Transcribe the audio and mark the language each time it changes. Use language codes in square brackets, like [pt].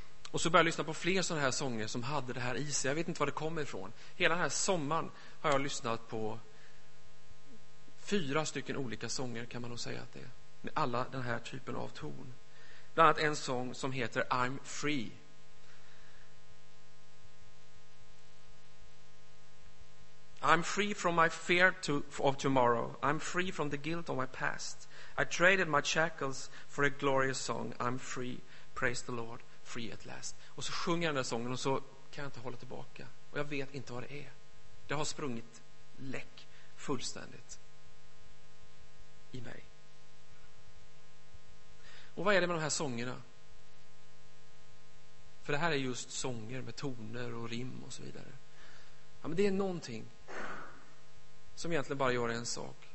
[sv] Och så började jag lyssna på fler sådana här sånger som hade det här i sig. Jag vet inte var det kommer ifrån. Hela den här sommaren har jag lyssnat på 4 stycken olika sånger, kan man nog säga att det är. Med alla den här typen av ton. Bland annat en sång som heter I'm Free. [en] I'm free from my fear of tomorrow. I'm free from the guilt of my past. I traded my shackles for a glorious song. I'm free, praise the Lord, free at last. [sv] Och så sjunger jag den där sången och så kan jag inte hålla tillbaka. Och jag vet inte vad det är. Det har sprungit läck fullständigt i mig. Och vad är det med de här sångerna? För det här är just sånger med toner och rim och så vidare. Ja, men det är någonting som egentligen bara gör en sak.